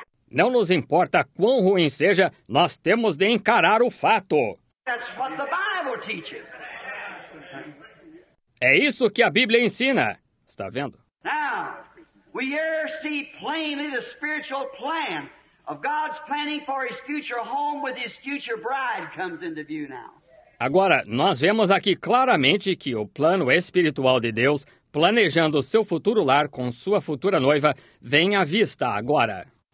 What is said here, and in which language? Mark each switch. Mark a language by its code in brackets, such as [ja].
[pt] Não nos importa quão ruim seja, nós temos de encarar o fato. [en] That's what the Bible teaches. [pt] É isso que a Bíblia ensina. Está vendo? [en] Now, we here see plainly the spiritual plan of God's planning for his future home with his future bride comes into view now. [pt] Agora, nós vemos aqui claramente que o plano espiritual de Deus, planejando o seu futuro lar com sua futura noiva, vem à vista agora.